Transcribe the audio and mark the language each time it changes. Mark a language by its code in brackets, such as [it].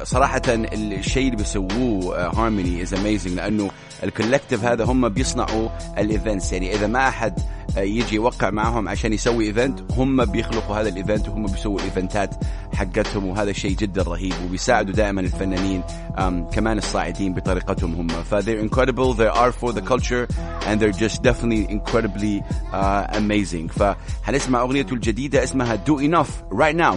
[ar] صراحة الشيء اللي بيسووه Harmony [en] is amazing [ar] لأنه الكولكتيف هذا هم بيصنعوا الإيفنتس, يعني إذا ما أحد يجي يوقع معهم عشان يسوي إيفنت هم بيخلقوا هذا الإيفنت وهم بيسووا الإيفنتات حقتهم, وهذا شيء جدا رهيب وبيساعدوا دائما الفنانين كمان الصاعدين بطريقتهم هم. [en] They're incredible, they are for the culture and they're just definitely incredibly amazing. [ar] فهنسمع أغنيته الجديدة اسمها Do Enough [en] right now.